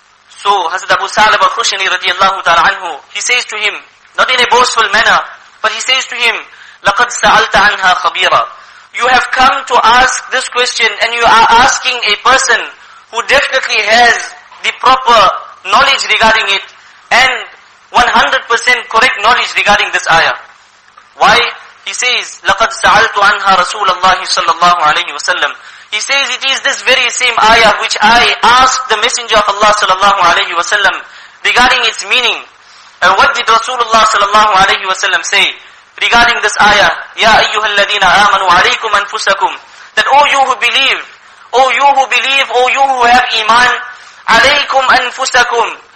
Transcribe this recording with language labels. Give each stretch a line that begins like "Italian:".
English: So Hazrat Abu Salab al-Khushani radiallahu ta'ala anhu, he says to him, not in a boastful manner, but he says to him,
Arabic: لَقَدْ سَأَلْتَ عَنْهَا خَبِيرًا.
English: You have come to ask this question and you are asking a person who definitely has the proper knowledge regarding it and 100% correct knowledge regarding this ayah. Why?
Arabic: He says, لَقَدْ سَأَلْتُ عَنْهَا رَسُولَ اللَّهِ صَلَّى اللَّهُ عَلَيْهِ وَسَلَّمْ.
English: He says, it is this very same ayah which I asked the Messenger of Allah صلى الله عليه وسلم regarding its meaning. And what did Rasulullah صلى الله عليه وسلم say regarding this ayah?
Arabic: يَا أَيُّهَا الَّذِينَ آمَنُوا عَلَيْكُمْ أَنفُسَكُمْ.
English: That, O you who believe, O you who believe, O you who have iman,
Arabic: عَلَيْكُمْ أَنفُسَكُمْ.